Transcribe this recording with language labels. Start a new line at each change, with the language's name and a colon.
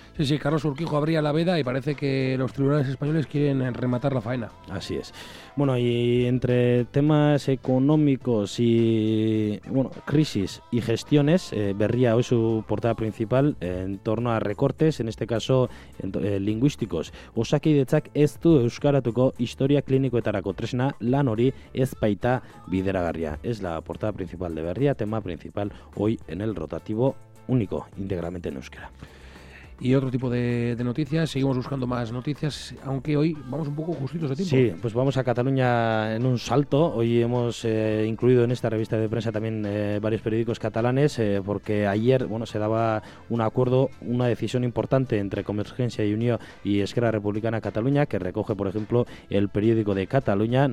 Spanish: Sí, sí, Carlos Urquijo abría la veda y parece que los tribunales españoles quieren rematar la faena. Así es. Bueno, y entre temas económicos y, bueno, crisis y gestiones, Berria hoy su portada principal en torno a recortes, en este caso lingüísticos.
Basque: Osakidetzak ez du euskaratuko historia klinikoetarako tresna, lan hori ez baita bideragarria.
Spanish: Es la portada principal de Berria, tema principal hoy en el rotativo único, íntegramente en euskera. Y otro tipo de noticias, seguimos buscando más noticias, aunque hoy vamos un poco justitos de tiempo. Sí, pues vamos a Cataluña en un salto. Hoy hemos incluido en esta revista de prensa también varios periódicos catalanes, porque ayer, bueno, se daba un acuerdo, una decisión importante entre Convergència y Unió y Esquerra Republicana Cataluña, que recoge, por ejemplo, el periódico de Cataluña.